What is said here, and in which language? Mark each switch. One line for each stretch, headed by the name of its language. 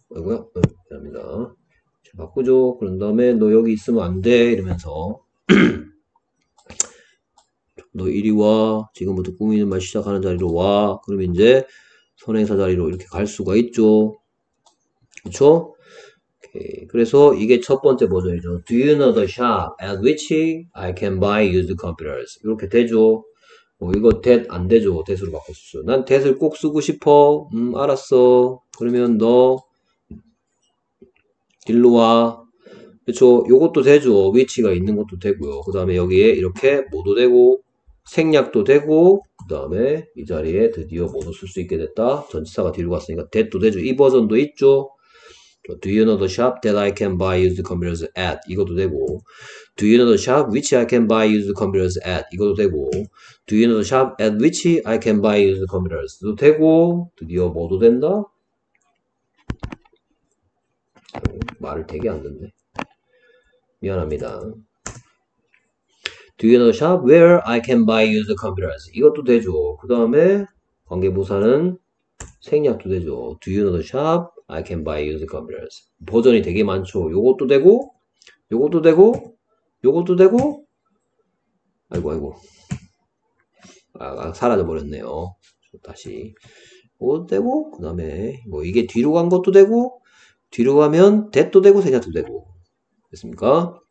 Korean: 아이고야, 미안합니다. 바꾸죠. 그런 다음에 너 여기 있으면 안돼 이러면서 너 이리 와. 지금부터 꾸미는 말 시작하는 자리로 와. 그럼 이제 선행사 자리로 이렇게 갈 수가 있죠. 그렇죠? 그래서 이게 첫 번째 버전이죠.
English: Do you know the shop at which I can buy used computers?
Korean: 이렇게 되죠. 뭐 이거 that 안 되죠. that으로 바꿨어. 난 that을 꼭 쓰고 싶어. 알았어. 그러면 너 일로 와. 그렇죠. 이것도 되죠. which가 있는 것도 되고요. 그 다음에 여기에 이렇게 뭐도 되고 생략도 되고, 그 다음에 이 자리에 드디어 모두 쓸수 있게 됐다. 전치사가 뒤로 갔으니까 that도 되죠. 이 버전도 있죠.
English: Do you know the shop that I can buy used computers at?
Korean: 이것도 되고.
English: Do you know the shop which I can buy used computers at?
Korean: 이것도 되고.
English: Do you know the shop at which I can buy used computers?
Korean: 도 되고. 드디어 모두 된다. 말을 되게 안 듣네. 미안합니다.
English: Do you know the shop where I can buy used computers?
Korean: 이것도 되죠. 그 다음에 관계부사는 생략도 되죠.
English: Do you know the shop I can buy used computers?
Korean: 버전이 되게 많죠. 요것도 되고, 요것도 되고, 요것도 되고, 아이고, 아이고. 아, 사라져버렸네요. 다시. 요것도 되고, 그 다음에 뭐 이게 뒤로 간 것도 되고, 뒤로 가면 that도 되고, 생략도 되고. 됐습니까?